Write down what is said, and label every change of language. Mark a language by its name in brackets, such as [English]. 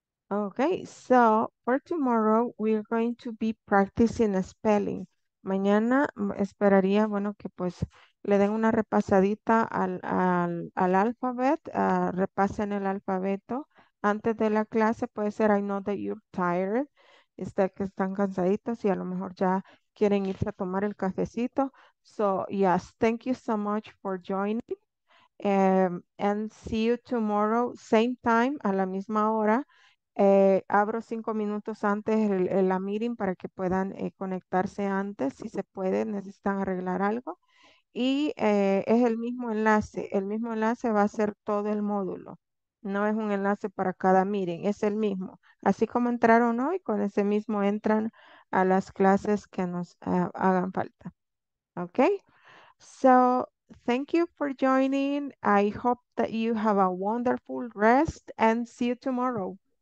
[English] Okay, so for tomorrow, we're going to be practicing spelling. [Spanish] Mañana esperaría, bueno, que pues le den una repasadita al alfabet, repasen el alfabeto antes de la clase. Puede ser, [English] I know that you're tired, [Spanish] está que están cansaditos y a lo mejor ya quieren irse a tomar el cafecito. [English] So, yes, thank you so much for joining. And see you tomorrow, same time, [Spanish] a la misma hora. Abro 5 minutos antes la meeting para que puedan conectarse antes, si se puede, necesitan arreglar algo. Y es el mismo enlace va a ser todo el módulo, no es un enlace para cada meeting, es el mismo. Así como entraron hoy, con ese mismo entran a las clases que nos hagan falta. [English] Okay, so thank you for joining. I hope that you have a wonderful rest and see you tomorrow.